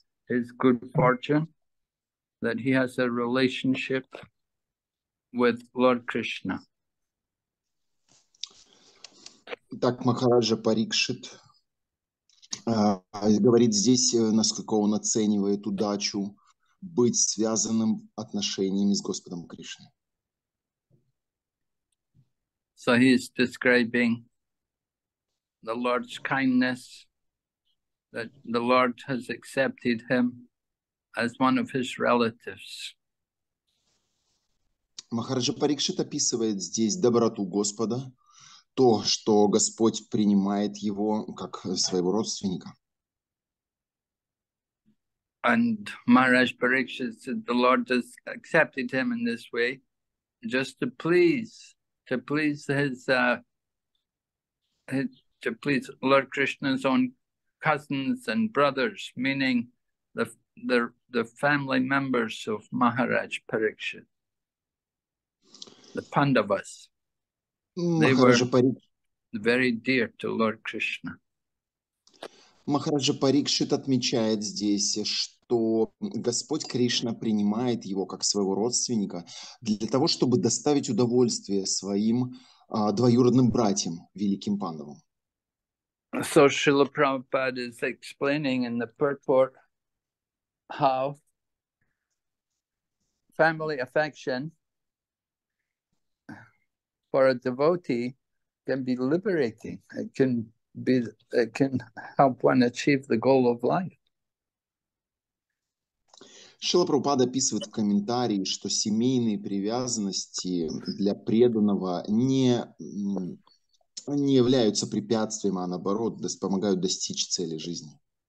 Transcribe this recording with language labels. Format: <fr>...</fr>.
<en>his good fortune that he has a relationship with Lord Krishna.</en> <ru>Так Махараджа Парикшит говорит здесь, насколько он оценивает удачу быть связанным отношениями с Господом Кришной.</ru> <en>So he is describing the Lord's kindness, that the Lord has accepted him as one of his relatives.</en> <ru>Махараджа Парикшит описывает здесь доброту Господа, то, что Господь принимает его как своего родственника.</ru> <en>And Maharaj Parikshit said the Lord has accepted him in this way just to please. To please his Lord Krishna's own cousins and brothers, meaning the family members of Maharaj Parikshit, the Pandavas. They were very dear to Lord Krishna.</en> <ru>Махараджа Парикшит отмечает здесь, что Господь Кришна принимает его как своего родственника для того, чтобы доставить удовольствие своим двоюродным братьям, великим Пандавам.</ru> <en>So Srila Prabhupada is explaining in the purport how family affection for a devotee can be liberating. It can help one achieve the goal of life.</en> <ru>Шрила Прабхупада описывает в комментарии, что семейные привязанности для преданного не являются препятствием, а наоборот, помогают достичь цели жизни.</ru>